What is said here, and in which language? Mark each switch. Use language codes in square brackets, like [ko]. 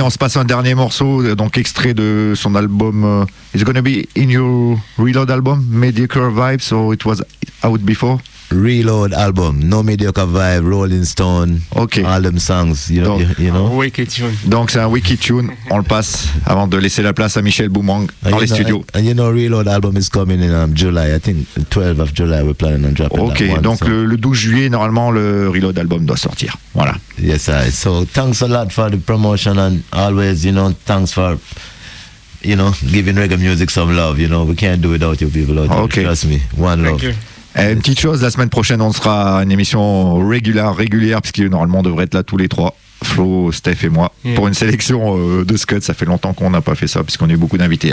[fr] On se passe un dernier morceau, donc extrait de son album. [en] It's gonna be in your Reload album, Mediocre Vibes, or it was out before? Reload album, no Mediocre Vibe, Rolling Stone, okay. All them songs, you know. Wicked tune. [fr] Donc c'est un [en] wicked tune. [fr] On le passe avant de laisser la place à Michel Boumang dans les studios. [en] And you know, Reload album is coming in July. I think 12th of July we're planning on dropping. Okay, that one, [fr] donc [en] so. [fr] le 12 juillet normalement le Reload album doit sortir. Voilà. [en] Yes, sir. So thanks a lot for the promotion and always, you know, thanks for, you know, giving reggae music some love. You know, we can't do it without you people out there. Okay. Trust me, one love. Thank you. [fr] Et une petite chose, la semaine prochaine on sera à une émission régulière puisque normalement on devrait être là tous les trois, Flo, Steph et moi, pour une sélection de Scud. Ça fait longtemps qu'on n'a pas fait ça puisqu'on a eu beaucoup d'invités.